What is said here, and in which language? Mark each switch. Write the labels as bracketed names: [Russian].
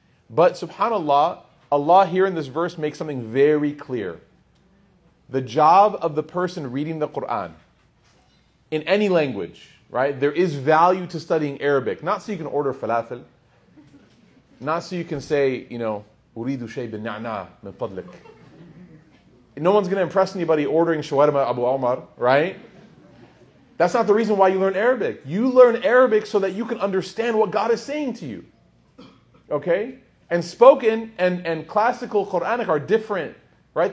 [English] But subhanAllah, Allah here in this verse makes something very clear. The job of the person reading the Quran in any language, right? There is value to studying Arabic. Not so you can order falafel. Not so you can say, you know, [Arabic] أريد شيء بالنعناع من فضلك. [English] No one's going to impress anybody ordering shawarma Abu Omar, right? That's not the reason why you learn Arabic. You learn Arabic so that you can understand what God is saying to you. Okay? And spoken and classical Quranic are different, right?